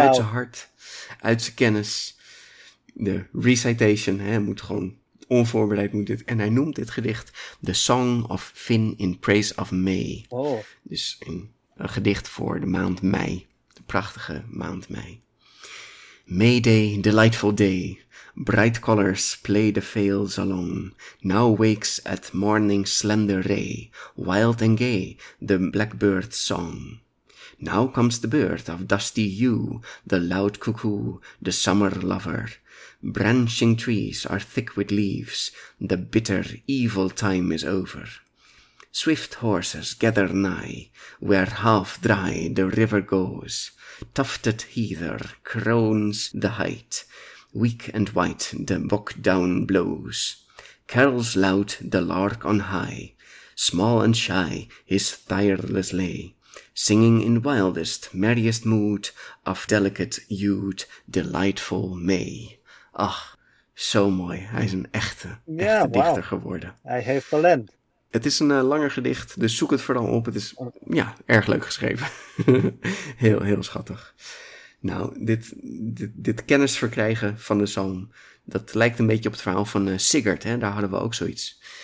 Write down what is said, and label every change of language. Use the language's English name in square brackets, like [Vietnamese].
[Dutch] Uit zijn hart, uit zijn kennis. De recitation, hè, moet gewoon onvoorbereid moet dit. En hij noemt dit gedicht The Song of Finn in Praise of May. Oh. Dus een gedicht voor de maand mei. De prachtige maand mei. [English] May day, delightful day. Bright colors play the fields along. Now wakes at morning's slender ray. Wild and gay, the blackbird's song. Now comes the birth of dusty yew, the loud cuckoo, the summer lover. Branching trees are thick with leaves. The bitter, evil time is over. Swift horses gather nigh, where half dry the river goes. Tufted heather crowns the height. weak and white the bog down blows. Carols loud the lark on high, small and shy his tireless lay, singing in wildest, merriest mood of delicate, youth, delightful May. [Dutch] Ach, zo mooi. Hij is een echte dichter geworden. Hij heeft talent. Het is een langer gedicht, dus zoek het vooral op. Het is erg leuk geschreven. Heel, heel schattig. Nou, dit kennis verkrijgen van de psalm, dat lijkt een beetje op het verhaal van Sigurd. Hè? Daar hadden we ook zoiets.